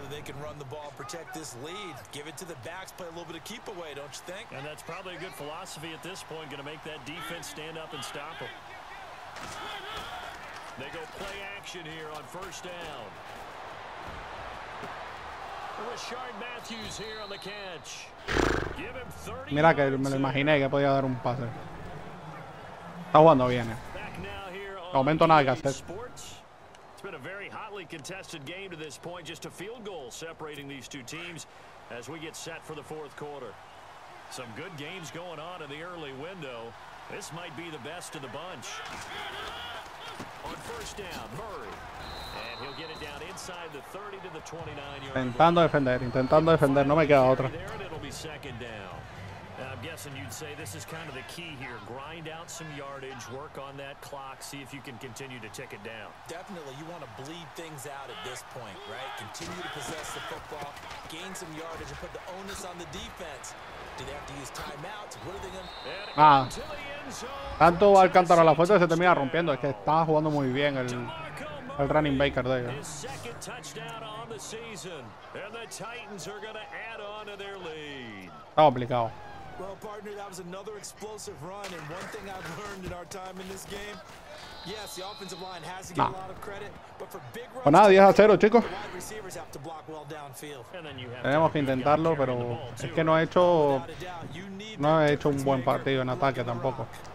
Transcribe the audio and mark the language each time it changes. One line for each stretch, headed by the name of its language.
English: They can run the ball, protect this lead. Give it to the backs, play a little bit of keep away, don't you think? And that's probably a good philosophy at this point, going to make that defense stand up and stop them. They go play action here on first down. Rashard Matthews here on the catch. Give him 30.
Spanish: Mira que me lo imaginé que podía dar un pase. Está jugando bien. No aumento nada que hacer.
English: It's been a very hotly contested game to this point, just a field goal separating these two teams as we get set for the fourth quarter. Some good games going on in the early window. This might be the best of the bunch. On first down, Murray. And he'll get it down inside the 30 to the 29 yard.
Spanish: Intentando defender, no me queda otra.
English: It'll be second down. I'm guessing you'd say this is kind of the key here. Grind out some yardage, work on that clock, see if you can continue to tick it down. Definitely, you want to bleed things out at this point, right? Continue to possess the football, gain some yardage, and put the onus on the defense. Do they have to use timeouts? What are they going to do? Ah.
Spanish: Tanto va Alcántara a la fuerza, se termina rompiendo. Es que está jugando muy bien el running backer de ellos.
English: His second touchdown on the season. And the Titans are going to add on to their lead.
Spanish: Está complicado.
English: Well, partner, that was another explosive run, and one thing I've learned in our time in this game, yes, the offensive line has to get a lot of credit, but for big runs,
Spanish: pues nada, 10-0, chicos.
English: The wide receivers have to block well downfield.
Spanish: Tenemos que intentarlo, pero es que no he hecho un buen partido en ataque tampoco.